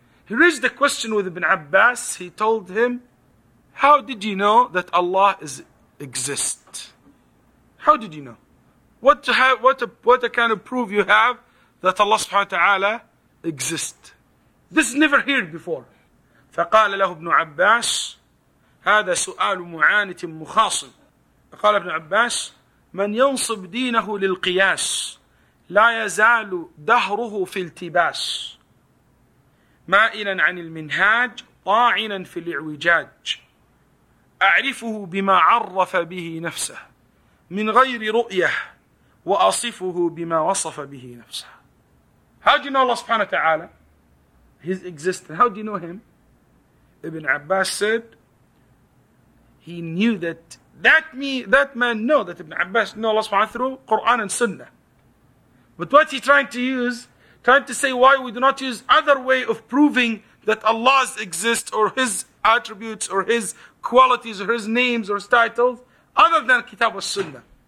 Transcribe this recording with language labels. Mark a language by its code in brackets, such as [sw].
[en] He raised the question with Ibn Abbas. He told him, how did you know that Allah exists? How did you know? What kind of proof you have that Allah subhanahu wa ta'ala exists? This is never heard before. [ar] فقال له ابن عباس هذا سؤال معانة مخاصم. قال ابن عباس من ينصب دينه للقياس لا يزال دهره في التباس مائلا عن المنهاج طاعنا في الاعوجاج أعرفه بما عرف به نفسه من غير رؤية وأصفه بما وصف به نفسه. [en] How do you know Allah subhanahu wa ta'ala? His existence. How do you know him? Ibn Abbas said, he knew that man know that Ibn Abbas know Allah subhanahu wa ta'ala through Quran and Sunnah. But what he's trying to say why we do not use other way of proving that Allah's exist or his attributes or his qualities or his names or his titles other than Kitab wa Sunnah.